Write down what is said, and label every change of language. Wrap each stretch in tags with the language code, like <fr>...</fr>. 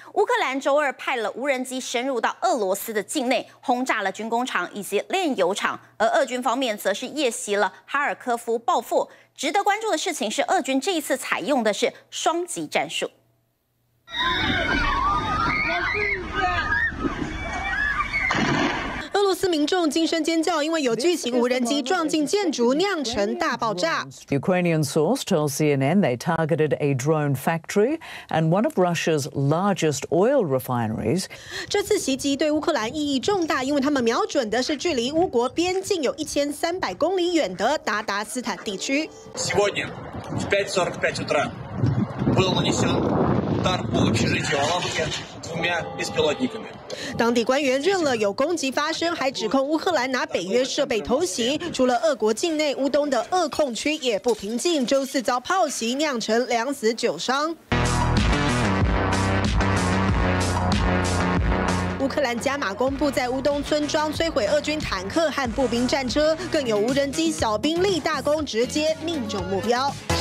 <zh>乌克兰周二派了无人机深入到俄罗斯的境内，轰炸了军工厂以及炼油厂，而俄军方面则是夜袭了哈尔科夫报复。值得关注的事情是，俄军这一次采用的是双击战术。俄罗斯民众惊声尖叫，因为有巨型无人机撞进建筑，酿成大爆炸。</zh> <en>Ukrainian source told CNN they targeted a drone factory and one of Russia's largest oil refineries.</en> <zh>这次袭击对乌克兰意义重大，因为他们瞄准的是距离乌国边境有1300公里远的达达斯坦地区。</zh> <ru>Сегодня в 5:45 утра был нанесен удар по общежитию Алабуге двумя беспилотниками.</ru> <zh>当地官员认了有攻击发生，还指控乌克兰拿北约设备偷袭。除了俄国境内，乌东的俄控区也不平静，周四遭炮袭，酿成2死9伤。乌克兰加码公布在乌东村庄摧毁俄军坦克和步兵战车，更有无人机小兵立大功，直接命中目标。</zh>